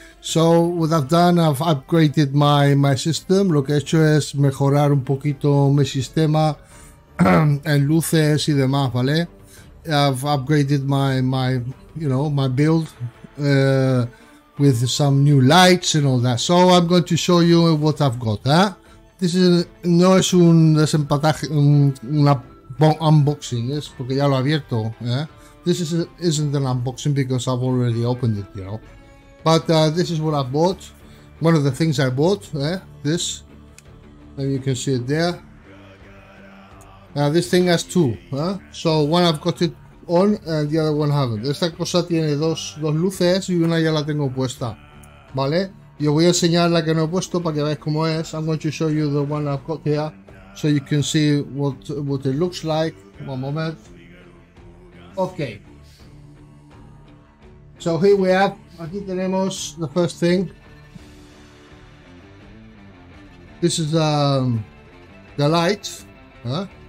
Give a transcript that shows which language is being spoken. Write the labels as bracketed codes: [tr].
[en] So what I've done, I've upgraded my system. [es] Lo que he hecho es mejorar un poquito mi sistema en luces y demás, ¿vale? [en] I've upgraded my build with some new lights and all that. So I'm going to show you what I've got, ¿eh? This is [es] no es un desempataje, un unboxing, es porque ya lo he abierto, ¿eh? [en] This isn't an unboxing because I've already opened it, you know. But this is what I bought. One of the things I bought, this. And you can see it there. This thing has two, eh? So one I've got it on and the other one haven't. [es] Esta cosa tiene dos luces y una ya la tengo puesta. Vale? Yo voy a enseñar la que no he puesto para que veáis cómo es. [en] I'm going to show you the one I've got here so you can see what it looks like. One moment. Okay. So here we have. [es] Aquí tenemos [en] the first thing. This is the light. Huh?